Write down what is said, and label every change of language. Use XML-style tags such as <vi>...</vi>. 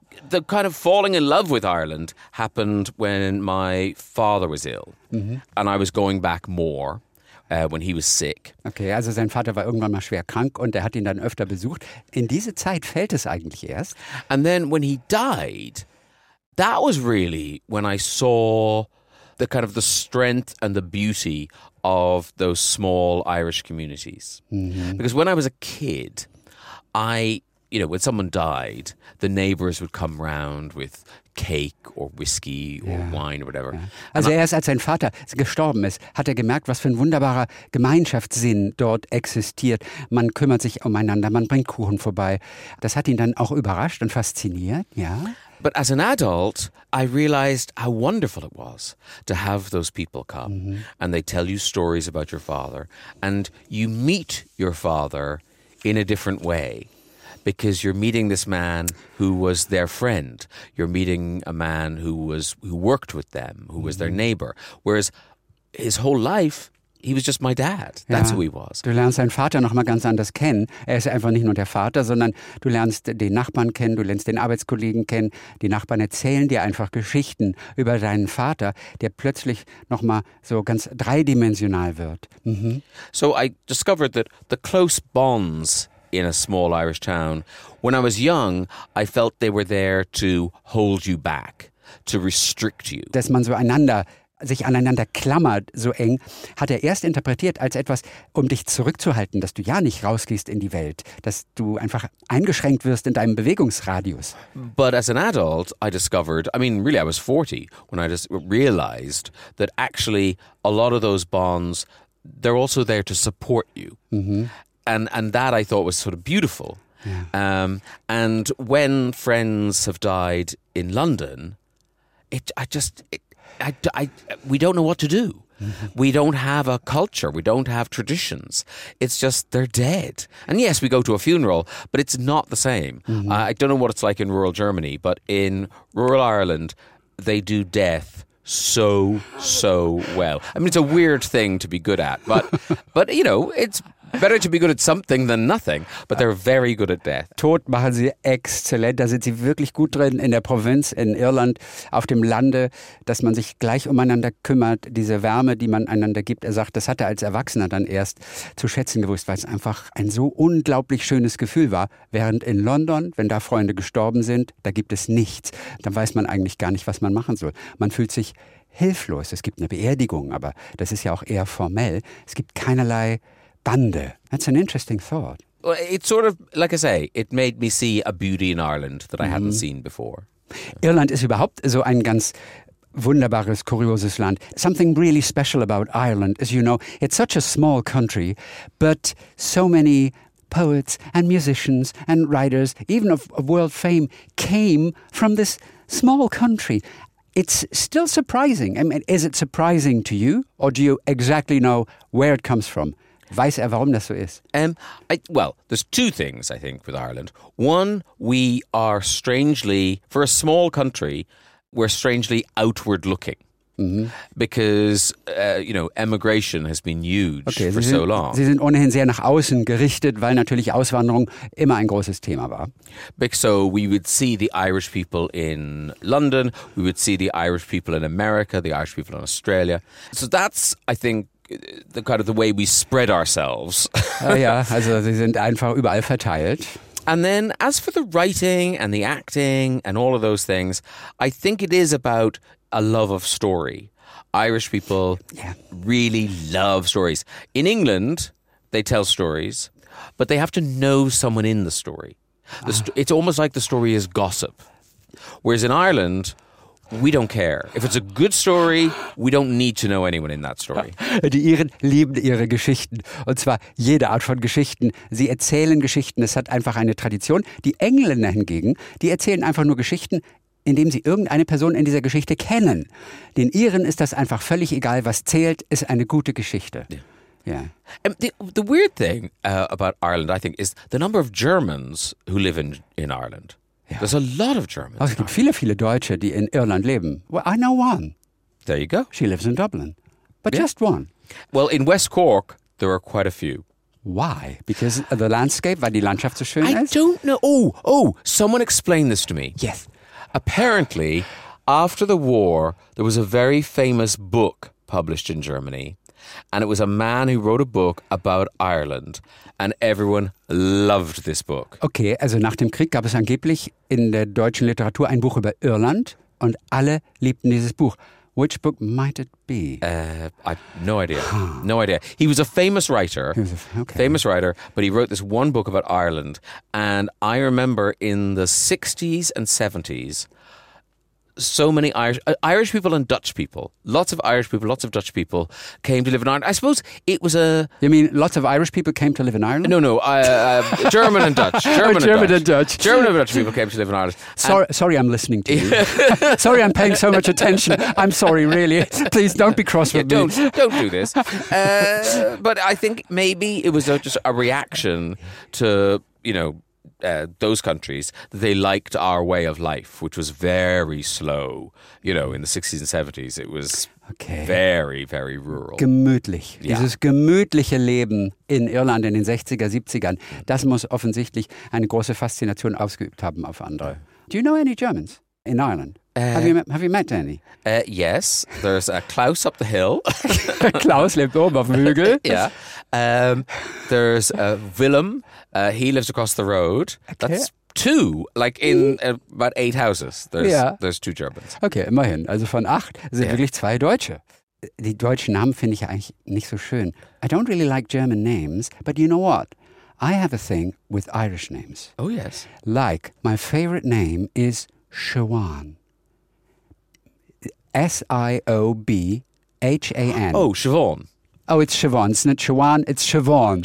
<en>The kind of falling in love with Ireland happened when my father was ill. Mm-hmm. And I was going back more when he was sick.</en> <de>Okay, also sein Vater war irgendwann mal schwer krank und er hat ihn dann öfter besucht. In diese Zeit fällt es eigentlich erst.</de> <en>And then when he died, that was really when I saw the kind of the strength and the beauty of those small Irish communities. Mm-hmm. Because when I was a kid, I... You know, when someone died, the neighbors would come round with Cake or Whiskey or Wine or whatever.</en> <de>Also erst als sein Vater gestorben ist, hat er gemerkt, was für ein wunderbarer Gemeinschaftssinn dort existiert. Man kümmert sich umeinander, man bringt Kuchen vorbei. Das hat ihn dann auch überrascht und fasziniert, ja.</de> <en>But as an adult, I realized how wonderful it was to have those people come and they tell you stories about your father and you meet your father in a different way. Because you're meeting this man who was their friend. You're meeting a man who worked with them, who was their neighbor. Whereas his whole life, he was just my dad. That's who he was.</en> <de>Du lernst deinen Vater noch mal ganz anders kennen. Er ist einfach nicht nur der Vater, sondern du lernst den Nachbarn kennen, du lernst den Arbeitskollegen kennen. Die Nachbarn erzählen dir einfach Geschichten über deinen Vater, der plötzlich noch mal so ganz dreidimensional wird.</de> <en>So I discovered that the close bonds in a small Irish town. When I was young, I felt they were there to hold you back, to restrict you.</en> <de>Dass man so einander, sich aneinander klammert, so eng, hat er erst interpretiert als etwas, um dich zurückzuhalten, dass du ja nicht rausgehst in die Welt, dass du einfach eingeschränkt wirst in deinem Bewegungsradius.</de> <en>But as an adult, I discovered, I mean, really, I was 40, when I just realized that actually a lot of those bonds, they're also there to support you. And that I thought was sort of beautiful. And when friends have died in London, we don't know what to do. We don't have a culture. We don't have traditions. It's just they're dead. And yes, we go to a funeral, but it's not the same. I don't know what it's like in rural Germany, but in rural Ireland, they do death so, so well. I mean, it's a weird thing to be good at, but you know, it's better to be good at something than nothing, but they're very good at death.</en> <de>Tod machen sie exzellent, da sind sie wirklich gut drin in der Provinz, in Irland, auf dem Lande, dass man sich gleich umeinander kümmert, diese Wärme, die man einander gibt. Er sagt, das hat er als Erwachsener dann erst zu schätzen gewusst, weil es einfach ein so unglaublich schönes Gefühl war. Während in London, wenn da Freunde gestorben sind, da gibt es nichts. Dann weiß man eigentlich gar nicht, was man machen soll. Man fühlt sich hilflos. Es gibt eine Beerdigung, aber das ist ja auch eher formell. Es gibt keinerlei Bande.</de> <en>That's an interesting thought. Well, it's sort of, like I say, it made me see a beauty in Ireland that I hadn't seen before.</en> <de>Irland ist überhaupt so ein ganz wunderbares, kurioses Land.</de> <en>Something really special about Ireland, as you know, it's such a small country, but so many poets and musicians and writers, even of world fame, came from this small country. It's still surprising. I mean, is it surprising to you, or do you exactly know where it comes from?</en> <de>Weiß er, warum das so ist?</de> <en>There's two things, I think, with Ireland. One, we are strangely, for a small country, we're strangely outward-looking. Because, you know, emigration has been huge for so long.</en> <de>Sie sind ohnehin sehr nach außen gerichtet, weil natürlich Auswanderung immer ein großes Thema war.</de> <en>So we would see the Irish people in London, we would see the Irish people in America, the Irish people in Australia. So that's, I think, the kind of the way we spread ourselves.</en> <de>also sie sind einfach überall verteilt.</de> <en>And then as for the writing and the acting and all of those things, I think it is about a love of story. Irish people really love stories. In England, they tell stories, but they have to know someone in the story. It's almost like the story is gossip. Whereas in Ireland, we don't care. If it's a good story, we don't need to know anyone in that story.</en> <de>Die Iren lieben ihre Geschichten. Und zwar jede Art von Geschichten. Sie erzählen Geschichten. Es hat einfach eine Tradition. Die Engländer hingegen, die erzählen einfach nur Geschichten, indem sie irgendeine Person in dieser Geschichte kennen. Den Iren ist das einfach völlig egal. Was zählt, ist eine gute Geschichte.</de> <en>The weird thing about Ireland, I think, is the number of Germans who live in Ireland. There's a lot of Germans.</en> <de>Also, es gibt viele, viele Deutsche, die in Irland leben.</de> <en>Well, I know one. There you go. She lives in Dublin. But just one. Well, in West Cork, there are quite a few. Why? Because of the landscape?</en> <de>Weil die Landschaft so schön ist?</de> <en>I don't know. Oh, someone explain this to me. Yes. Apparently, after the war, there was a very famous book published in Germany. And it was a man who wrote a book about Ireland. And everyone loved this book.</en> <de>Okay, also nach dem Krieg gab es angeblich in der deutschen Literatur ein Buch über Irland. Und alle liebten dieses Buch.</de> <en>Which book might it be? No idea. He was a famous writer. Famous writer. But he wrote this one book about Ireland. And I remember in the 60s and 70s, so many Irish people and Dutch people. Lots of Irish people, lots of Dutch people came to live in Ireland. I suppose it was a... You mean lots of Irish people came to live in Ireland? No. German and Dutch. German and Dutch. German and Dutch people came to live in Ireland. Sorry, I'm listening to you. Sorry, I'm paying so much attention. I'm sorry, really. Please don't be cross with me. Don't do this. But I think maybe it was just a reaction to, you know, those countries. They liked our way of life, which was very slow. You know, in the 60s and 70s, it was okay. Very, very rural.</en> <de>Gemütlich. Yeah. Dieses gemütliche Leben in Irland in den 60er, 70ern, das muss offensichtlich eine große Faszination ausgeübt haben auf andere.</de> <en>Do you know any Germans in Ireland? Have you met any? Yes, there's a Klaus up the hill.</en> <de>Klaus lebt oben auf dem Hügel.</de> <en>Yeah. There's a Willem. He lives across the road. Okay. That's two, like in about eight houses. There's two Germans.</en> <de>Okay, immerhin. Also von acht sind wirklich zwei Deutsche. Die deutschen Namen finde ich eigentlich nicht so schön.</de> <en>I don't really like German names, but you know what? I have a thing with Irish names. Oh, yes. Like, my favorite name is Siobhan. S-I-O-B-H-A-N. Oh, Siobhan. Oh, it's Siobhan. It's not Siobhan. It's Siobhan.</en>